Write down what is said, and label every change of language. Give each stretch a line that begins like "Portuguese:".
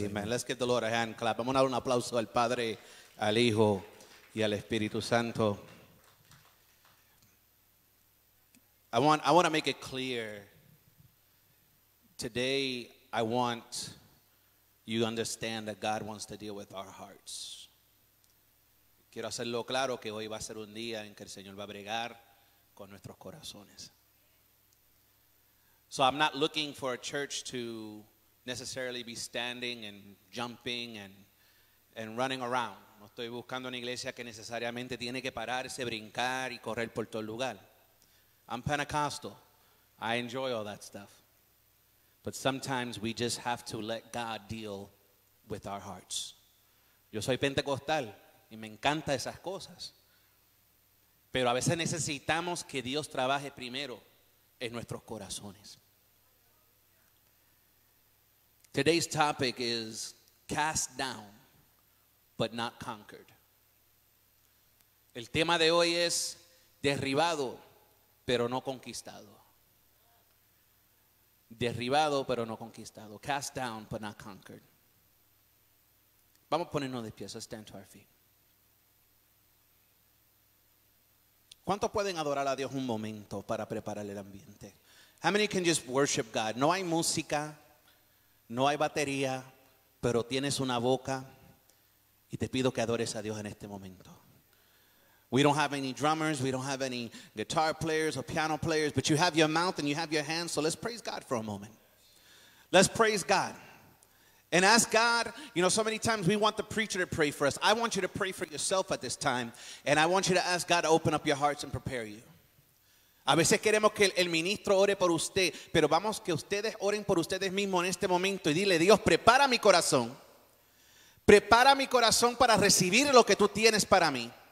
Spanish: Amen.
English: Let's give the Lord a hand clap.
Spanish: Vamos a dar un aplauso al Padre, al Hijo y al Espíritu Santo.
English: I want to make it clear. Today, I want you to understand that God wants to deal with our hearts.
Spanish: Quiero hacerlo claro que hoy va a ser un día en que el Señor va a bregar con nuestros corazones.
English: So I'm not looking for a church to necessarily be standing and jumping and and running around.
Spanish: No estoy buscando una iglesia que necesariamente tiene que pararse, brincar y correr por todo el lugar.
English: I'm Pentecostal. I enjoy all that stuff. But sometimes we just have to let God deal with our hearts.
Spanish: Yo soy pentecostal y me encanta esas cosas. Pero a veces necesitamos que Dios trabaje primero en nuestros corazones.
English: Today's topic is cast down, but not conquered.
Spanish: El tema de hoy es derribado, pero no conquistado. Derribado, pero no conquistado.
English: Cast down, but not conquered.
Spanish: Vamos a ponernos de pie.
English: Let's stand to our feet.
Spanish: ¿Cuántos pueden adorar a Dios un momento para preparar el ambiente?
English: How many can just worship God?
Spanish: No hay música, no hay batería, pero tienes una boca y te pido que adores a Dios en este momento.
English: We don't have any drummers, we don't have any guitar players or piano players, but you have your mouth and you have your hands, so let's praise God for a moment. Let's praise God. And ask God, you know, so many times we want the preacher to pray for us. I want you to pray for yourself at this time, and I want you to ask God to open up your hearts and prepare you.
Spanish: A veces queremos que el ministro ore por usted, pero vamos que ustedes oren por ustedes mismos en este momento y dile, Dios, prepara mi corazón. Prepara mi corazón para recibir lo que tú tienes para mí.